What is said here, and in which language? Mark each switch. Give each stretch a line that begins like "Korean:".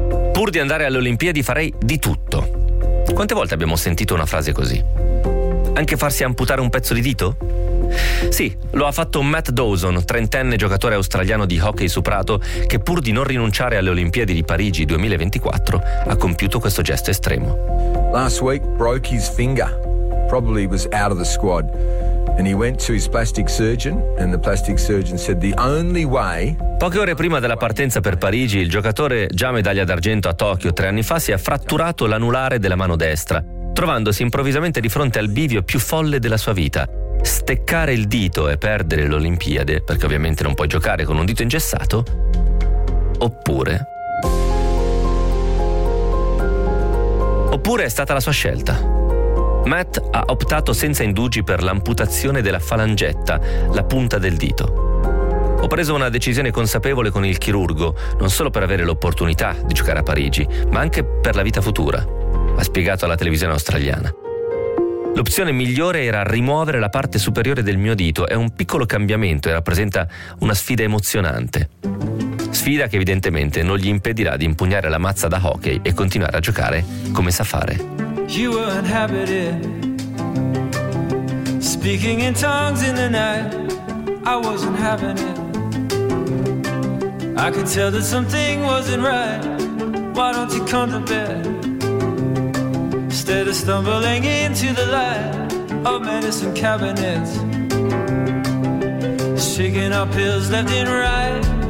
Italian: Pur di andare alle Olimpiadi farei di tutto. Quante volte abbiamo sentito una frase così? Anche farsi amputare un pezzo di dito? Sì, lo ha fatto Matt Dawson, trentenne giocatore australiano di hockey su prato, che pur di non rinunciare alle Olimpiadi di Parigi 2024 ha compiuto questo gesto estremo.
English: Last week broke his finger. Probably was out of the squad, and he went to his plastic surgeon, and the plastic surgeon said the only way.
Italian: Poche ore prima della partenza per Parigi, il giocatore, già medaglia d'argento a Tokyo 3 anni fa, si è fratturato l'anulare della mano destra, trovandosi improvvisamente di fronte al bivio più folle della sua vita: steccare il dito e perdere l'Olimpiade, perché ovviamente non puoi giocare con un dito ingessato, oppure è stata la sua scelta. Matt ha optato senza indugi per l'amputazione della falangetta, la punta del dito. Ho preso una decisione consapevole con il chirurgo, non solo per avere l'opportunità di giocare a Parigi, ma anche per la vita futura, ha spiegato alla televisione australiana. L'opzione migliore era rimuovere la parte superiore del mio dito, è un piccolo cambiamento e rappresenta una sfida emozionante. Sfida che evidentemente non gli impedirà di impugnare la mazza da hockey e continuare a giocare come sa fare.
English: You were inhabited, speaking in tongues in the night. I wasn't having it. I could tell that something wasn't right. Why don't you come to bed? Instead of stumbling into the light of medicine cabinets, shaking up pills left and right.